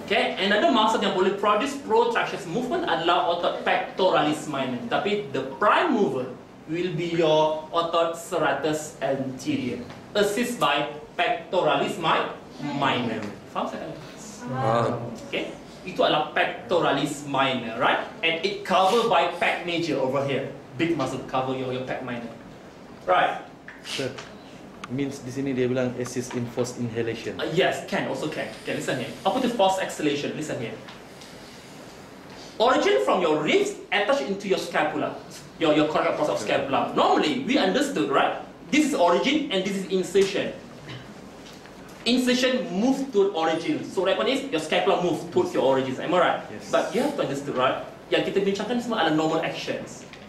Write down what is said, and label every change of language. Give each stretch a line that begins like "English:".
English: Okay, and another muscle
Malay: yang boleh
English: produce protractions movement
Malay: adalah otot
English: pectoralis minor. Tapi the prime mover will be your otot serratus anterior, assist by pectoralis minor.
Malay: Faham saya? Okay, itu adalah pectoralis minor,
English: right? And it covered by pec major over here. Big muscle cover your pec minor, right? Means
Malay: di sini dia bilang
English: assist in forced inhalation. Yes, can also can. Okay, listen here.
Malay: Apa tu
English: forced exhalation? Listen here. Origin from your ribs attached into your scapula, your correct process of scapula. Normally we understood, right? This is origin and this is insertion. Insertion move toward origin. So what happens is your scapula move towards your origin. Am I right? Yes. But you have to understand, right?
Malay: Yang kita bincangkan semua adalah
English: normal actions.